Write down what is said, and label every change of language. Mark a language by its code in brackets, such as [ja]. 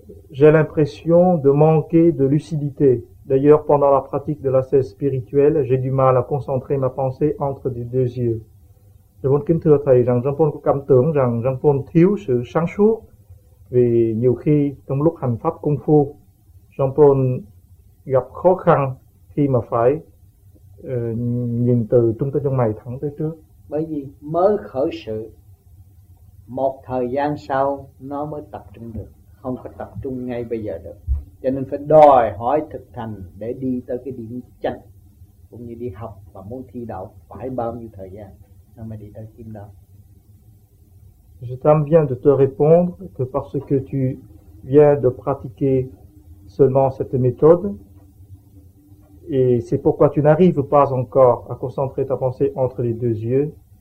[fr] J'ai l'impression de manquer de lucidité. D'ailleurs, pendant la pratique de la cesse spirituelle, j'ai du mal à concentrer ma pensée entre les deux yeux. [vi] Thì muốn kính thưa Thầy rằng Jean-Paul có cảm tưởng rằng Jean-Paul thiếu sự sáng suốt vì nhiều khi trong lúc hành pháp công phu, Jean-Paul gặp khó khăn khi mà phải nhìn từ trung tâm chân mày thẳng tới trước. Bởi vì mới khởi sự, một thời gian sau nó mới tập trung được, không có tập trung ngay bây giờ được. Cho nên phải đòi hỏi thực hành để đi tới cái điểm chân, cũng như đi học và muốn thi đậu phải bao nhiêu thời gian. [fr] Je t'en viens de te répondre que parce que tu viens de pratiquer seulement cette méthode, et c'est pourquoi tu n'arrives pas encore à concentrer ta pensée entre les deux yeux.